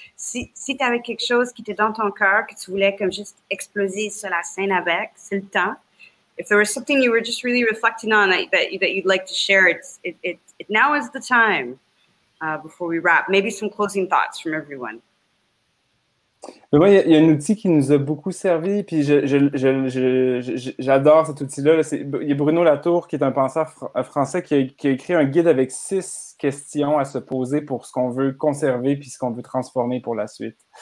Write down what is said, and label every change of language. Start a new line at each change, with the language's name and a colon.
French: Si tu avais quelque chose qui était dans ton cœur, que tu voulais comme juste exploser sur la scène avec, c'est le temps.
English: If there was something you were just really reflecting on that you'd like to share, it now is the time before we wrap. Maybe some closing thoughts from everyone.
French: Mais moi, il y a un outil qui nous a beaucoup servi, puis j'adore cet outil-là. Il y a Bruno Latour, qui est un penseur français, qui a écrit un guide avec 6 questions à se poser pour ce qu'on veut conserver puis ce qu'on veut transformer pour la suite.